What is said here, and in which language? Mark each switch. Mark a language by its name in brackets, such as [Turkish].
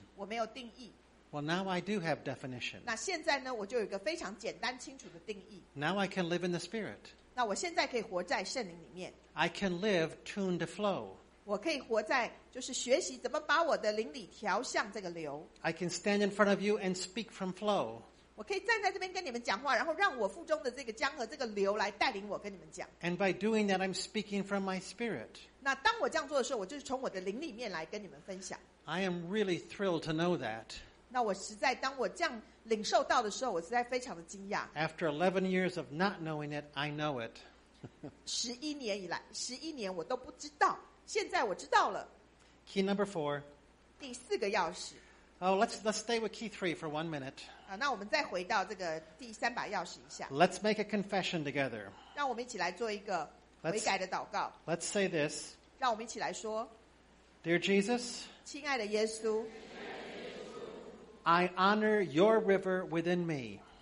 [Chinese] 我没有定义。 [English] Well, now I do have definition. [Chinese] 那现在呢，我就有一个非常简单清楚的定义。 [English] Now I can live in the Spirit. [Chinese] 那我现在可以活在圣灵里面。 [English] I can live tuned to flow. [Chinese] 我可以活在就是学习怎么把我的灵里调向这个流。 [English] I can stand in front of you and speak from flow. [Chinese] 我可以站在这边跟你们讲话，然后让我腹中的这个江河、这个流来带领我跟你们讲。 [English] And by doing that, I'm speaking from my spirit. [Chinese] 那当我这样做的时候，我就是从我的灵里面来跟你们分享。 [English] I am really thrilled to know that. [Chinese] 那我实在当我这样领受到的时候，我实在非常的惊讶。 [English] After 11 years of not knowing it, I know it. [Chinese] 十一年以来，十一年我都不知道，现在我知道了。 [English] Key number four. [Chinese] 第四个钥匙。 [English] Oh, let's stay with key three for 1 minute. [Chinese] 那我们再回到这个第三把钥匙一下。 [English] Let's make a confession together. [Chinese] 让我们一起来做一个悔改的祷告。 [English] Let's say this. [Chinese] 让我们一起来说。 [English] Dear Jesus. [Chinese] 亲爱的耶稣。 [English] I honor your river within me.